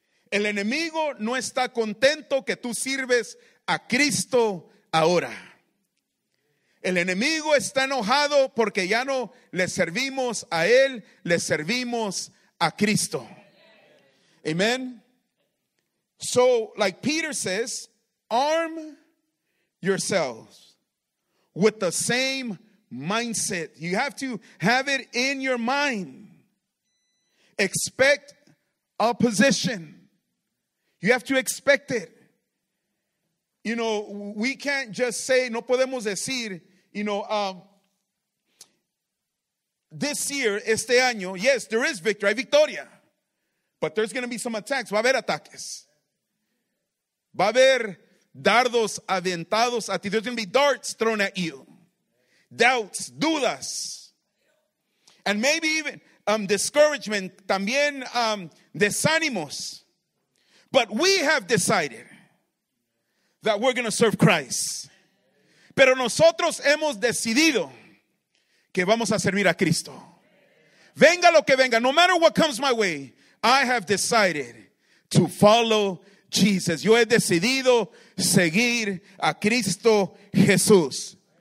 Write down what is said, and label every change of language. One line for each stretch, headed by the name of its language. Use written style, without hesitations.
Spanish: El enemigo no está contento que tú sirves a Cristo ahora. El enemigo está enojado porque ya no le servimos a él, le servimos a Cristo. Amen.
English: So, like Peter says, arm yourselves with the same mindset. You have to have it in your mind. Expect opposition. You have to expect it. You know, we can't just say,
Spanish: no podemos decir,
English: you know, this year,
Spanish: este año,
English: yes, there is victory,
Spanish: hay victoria.
English: But there's going to be some attacks.
Spanish: Va a haber ataques. Va a haber dardos aventados a ti.
English: There's going to be darts thrown at you. Doubts, dudas. And maybe even discouragement,
Spanish: también desánimos.
English: But we have decided that we're going to serve Christ.
Spanish: Pero nosotros hemos decidido que vamos a servir a Cristo. Venga lo que venga,
English: no matter what comes my way, I have decided to follow Jesus.
Spanish: Yo he decidido seguir a Cristo Jesús.